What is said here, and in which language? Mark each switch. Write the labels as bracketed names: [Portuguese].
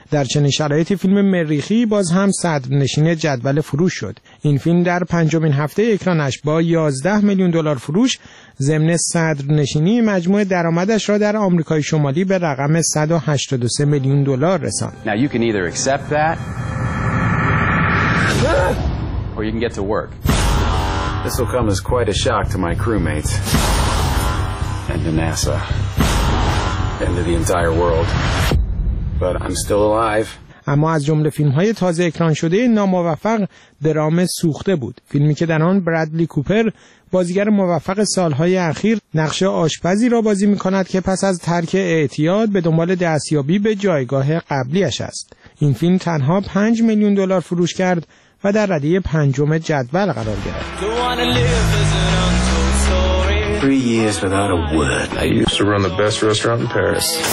[Persian] در چنین شرایطی فیلم مریخی باز هم صدرنشین جدول فروش شد. این فیلم در پنجمین هفته اکرانش با 11 میلیون دلار فروش ضمن صدرنشینی مجموع درآمدش را در آمریکای شمالی به رقم 183 میلیون دلار رساند. [English] Now you can either accept that or you can get to work. This will come as quite a shock to my crewmates and to NASA and to the entire world. But I'm still alive. [Persian] اما از جمله فیلم‌های تازه اکران شده ناموفق درام سوخته بود، فیلمی که در آن برادلی کوپر بازیگر موفق سال‌های اخیر نقش آشپزی را بازی می‌کند که پس از ترک اعتیاد به دنبال دستیابی به جایگاه قبلیش است. این فیلم تنها 5 میلیون دلار فروش کرد و در رده پنجم جدول قرار گرفت. [English] 3 years without a word. I used to run the best restaurant in Paris.